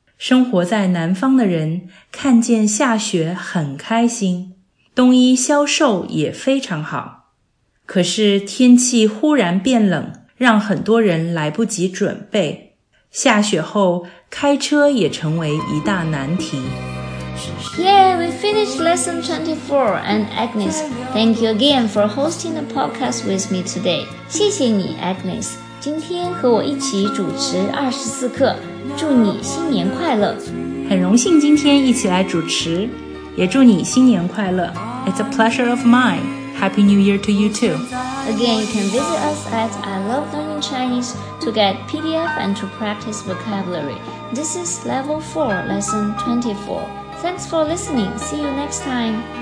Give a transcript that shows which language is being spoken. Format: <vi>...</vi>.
<zh>生活在南方的人看见下雪很开心，冬衣销售也非常好。可是天气忽然变冷，让很多人来不及准备。下雪后，开车也成为一大难题。</zh> <en>Yeah, we finished lesson 24. And Agnes, thank you again for hosting the podcast with me today.</en> <zh>谢谢你 ,Agnes, 今天和我一起主持24课。祝你新年快乐。很荣幸今天一起来主持。也祝你新年快乐。</zh> <en>It's a pleasure of mine. Happy New Year to you too. Again, you can visit us at I Love Learning Chinese to get PDF and to practice vocabulary. This is Level 4, Lesson 24. Thanks for listening. See you next time.</en>